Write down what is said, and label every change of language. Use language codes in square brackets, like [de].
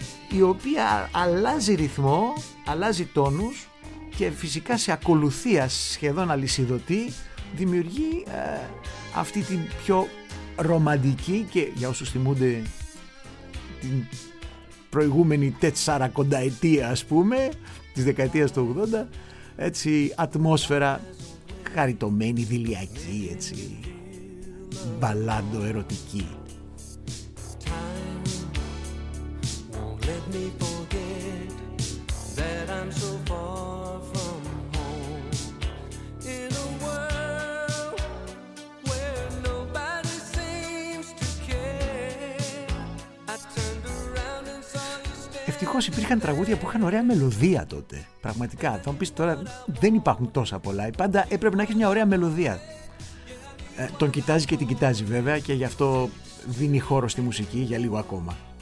[el] η οποία αλλάζει ρυθμό, αλλάζει τόνους και φυσικά σε ακολουθία σχεδόν αλυσιδωτή δημιουργεί αυτή την πιο ρομαντική και για όσους θυμούνται την προηγούμενη τετσαρακονταετία ας πούμε της δεκαετίας του 80, έτσι ατμόσφαιρα χαριτωμένη, δηλιακή, έτσι μπαλάντο ερωτική. [en] Let me forget that I'm so far from home in a world where nobody seems to care. I turned around and saw you standing. [el] Ευτυχώς υπήρχαν τραγούδια που είχαν ωραία μελωδία τότε. Πραγματικά, θα μου πεις τώρα δεν υπάρχουν τόσα πολλά. Πάντα έπρεπε να έχεις μια ωραία μελωδία. Τον κοιτάζει και την κοιτάζει βέβαια και γι' αυτό δίνει χώρο στη μουσική για λίγο ακόμα.